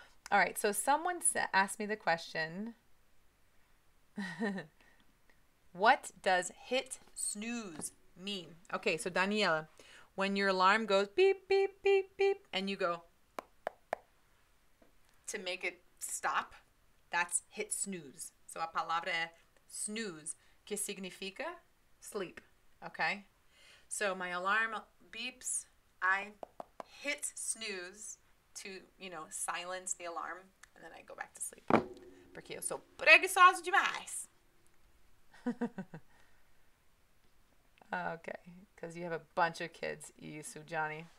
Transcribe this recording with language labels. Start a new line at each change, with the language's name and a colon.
English: All right, so someone asked me the question, what does hit snooze mean? Okay, so Daniela, when your alarm goes beep, beep, beep, beep, and you go to make it stop, that's hit snooze.
Portuguese: So a palavra é snooze, que significa sleep, okay?
English: So my alarm beeps, I hit snooze to, silence the alarm, and then I go back to sleep.
Portuguese: Porque eu sou preguiçoso demais.
English: Okay, because you have a bunch of kids, Isu Johnny.